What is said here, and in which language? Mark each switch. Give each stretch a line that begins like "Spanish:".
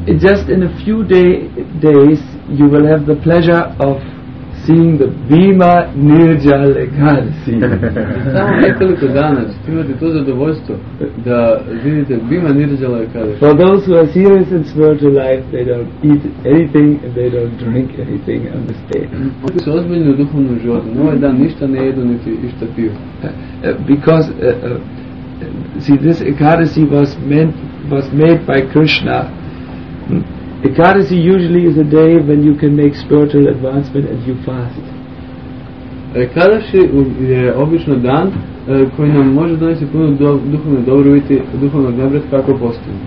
English: It's just in a few days you will have the pleasure of seeing the Bhima Nirjal Ekadasi.
Serbian: Samo nekoliko dana ćete imati to zadovoljstvo da vidite Bhima Nirjal Ekadasi.
English: For those who are serious in spiritual life, they don't eat anything and they don't drink anything on this day.
Serbian: Oni su ozbiljni u duhovnom životu, na ovaj dan ništa ne jedu niti ništa piju.
English: Because, see, this Ekadasi was made by Krishna. Ekadasi usually is a day when you can make spiritual advancement and you fast.
Serbian: Ekadasi je obično dan koji nam može donesti puno duhovne dobrobiti, duhovnog napretka ako postimo.